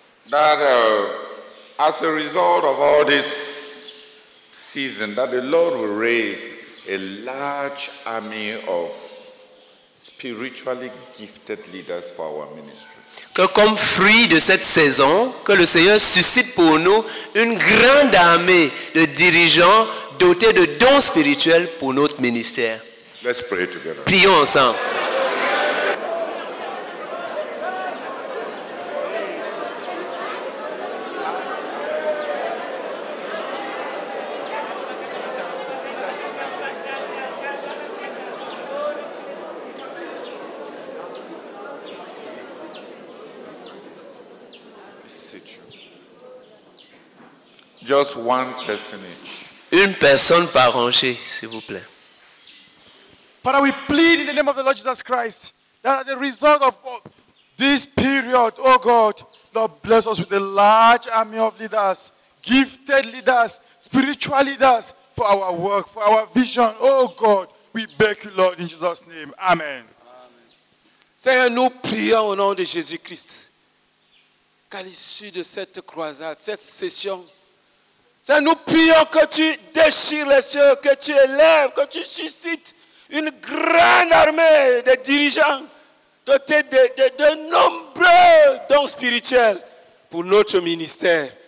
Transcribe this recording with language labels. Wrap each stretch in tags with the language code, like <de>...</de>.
<en>That as a result of all this season, that the Lord will raise a large army of spiritually gifted leaders for our ministry.</en> <fr>Que comme fruit de cette saison, que le Seigneur suscite pour nous une grande armée de dirigeants dotés de dons spirituels pour notre ministère.</fr> <en>Let's pray together.</en> <fr>Prions ensemble.</fr> <en>Just one person each.</en> <fr>Une personne par rangée, s'il vous plaît.</fr> <en>Father, we plead in the name of the Lord Jesus Christ that as a result of this period, oh God, Lord, bless us with a large army of leaders, gifted leaders, spiritual leaders for our work, for our vision. Oh God, we beg you, Lord, in Jesus' name. Amen.</en> <fr>Seigneur, nous prions au nom de Jésus-Christ qu'à l'issue de cette croisade, cette session, Seigneur, nous prions que tu déchires les cieux, que tu élèves, que tu suscites une grande armée de dirigeants dotés de nombreux dons spirituels pour notre ministère.</fr>